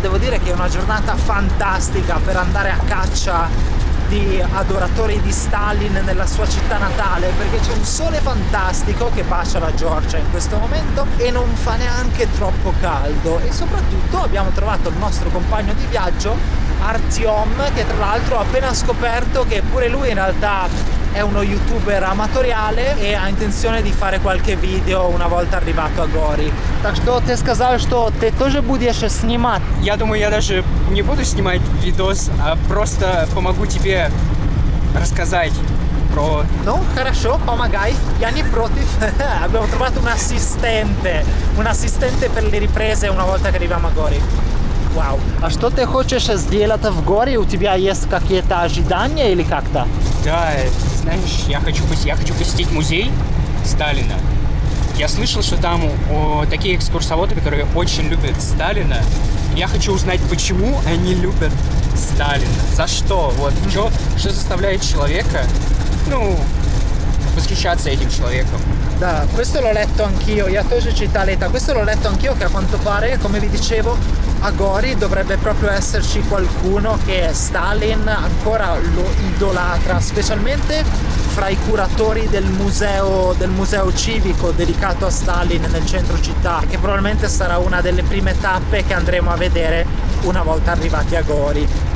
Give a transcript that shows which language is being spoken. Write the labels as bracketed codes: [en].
[it] Devo dire che è una giornata fantastica per andare a caccia di adoratori di Stalin nella sua città natale, perché c'è un sole fantastico che bacia la Georgia in questo momento e non fa neanche troppo caldo, e soprattutto abbiamo trovato il nostro compagno di viaggio Artyom, che tra l'altro ha appena scoperto che pure lui in realtà è uno youtuber amatoriale e ha intenzione di fare qualche video una volta arrivato a Gori. [ru] Так что ты сказал, что ты тоже будешь снимать? Я думаю, я даже не буду снимать видос, а просто помогу тебе рассказать про... Ну, хорошо, помогай. Я не против. [it] Abbiamo trovato un assistente per le riprese una volta che arriviamo a Gori. Wow. [ru] А что ты хочешь сделать в Гори? У тебя есть какие-то ожидания или как-то? Да, знаешь, я хочу посетить музей Сталина. Я слышал, что там такие экскурсоводы, которые очень любят Сталина. Я хочу узнать, почему они любят Сталина. За что? Вот, что заставляет человека, ну, восхищаться этим человеком? [it] Да, questo l'ho letto anch'io. [ru] Я тоже читал это. [it] Questo l'ho letto anch'io, che a quanto pare, come vi dicevo, a Gori dovrebbe proprio esserci qualcuno che Stalin ancora lo idolatra, specialmente fra i curatori del museo civico dedicato a Stalin nel centro città, che probabilmente sarà una delle prime tappe che andremo a vedere una volta arrivati a Gori.